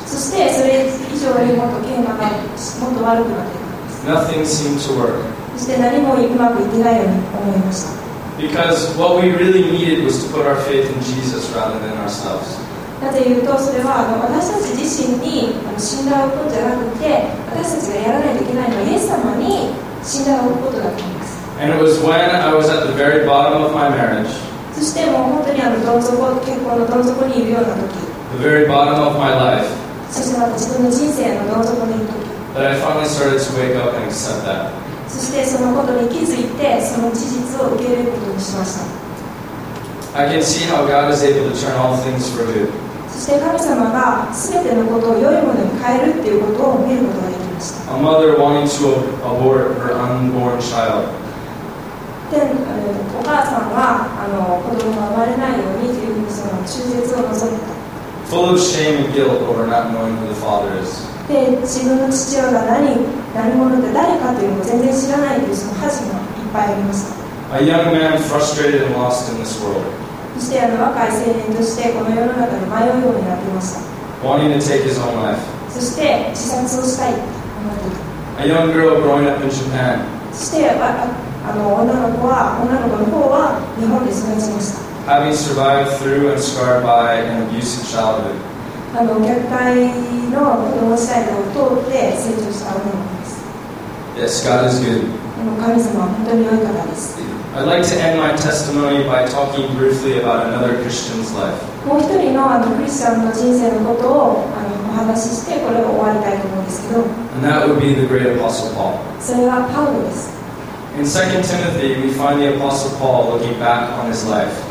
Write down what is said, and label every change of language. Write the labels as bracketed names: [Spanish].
[Japanese] そしてそれ以上よりもっと喧嘩がもっと悪くなっていく。 [English] Nothing seemed to work. [Japanese] そして何もうまくいってないように思いました。 [English] Because what we really needed was to put our faith in Jesus rather than ourselves. [Japanese] なぜ言うとそれは私たち自身に信頼を置くことじゃなくて私たちがやらないといけないのはイエス様に信頼を置くことだと思います。 [English] And it was when I was at the very bottom of my marriage. [Japanese] そしてもう本当にどん底、結婚のどん底にいるような時。 [English] The very bottom of my life. [Japanese] そしてまた自分の人生のどん底にいる時。 [English] That I finally started to wake up and accept that. [Japanese] そしてそのことに気づいて、その事実を受け入れることにしました。 [English] I can see how God is able to turn all things for good. [Japanese] そして神様が全てのことを良いものに変えるっていうことを見ることができました。 [English] A mother wanting to abort her unborn child. [Japanese] お母さんは子供が生まれないようにというふうにその中絶を望んでいた。 [English] Full of shame and guilt over not knowing who the father is. [Japanese] で、自分の父親が何者で誰かというのを全然知らないというその恥もいっぱいありました。 [English] A young man frustrated and lost in this world. [Japanese] そして若い青年としてこの世の中で迷うようになっていました。 [English] Wanting to take his own life. [Japanese] そして自殺をしたいと思っていた。 [English] A young girl growing up in Japan. [Japanese] そして女の子の方は日本で育ちました。 [English] Having survived through and scarred by an abusive childhood. [Japanese] 虐待の子供時代を通って成長した女の子です。 [English] Yes, God is good. [Japanese] 神様は本当に良い方です。 [English] I'd like to end my testimony by talking briefly about another Christian's life. [Japanese] もう一人のクリスチャンの人生のことをお話ししてこれを終わりたいと思うんですけど。 [English] And that would be the great apostle Paul. [Japanese] それはパウロです。 [English] In 2 Timothy, we find the Apostle Paul looking back on his life.